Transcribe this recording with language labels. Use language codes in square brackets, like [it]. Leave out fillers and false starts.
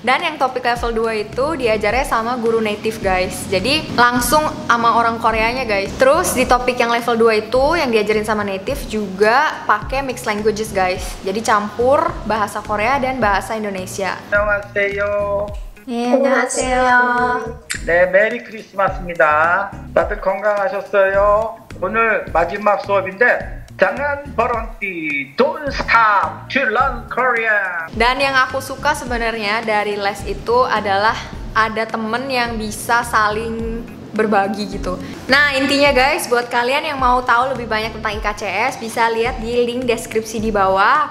[id] Dan yang topik level 2 itu diajarnya sama guru native, guys. Jadi langsung sama orang Koreanya, guys. Terus di topik yang level 2 itu yang diajarin sama native juga pakai mixed languages, guys. Jadi campur bahasa Korea dan bahasa Indonesia. [ko] Annyeonghaseyo. 네, 안녕하세요. 네, 메리 크리스마스입니다. 다들 건강하셨어요? 오늘 마지막 수업인데 [id] jangan berhenti, [en] don't stop to learn Korean. [id] Dan yang aku suka sebenarnya dari les itu adalah ada temen yang bisa saling berbagi gitu. Nah, intinya guys, buat kalian yang mau tahu lebih banyak tentang IKCS, bisa lihat di link deskripsi di bawah.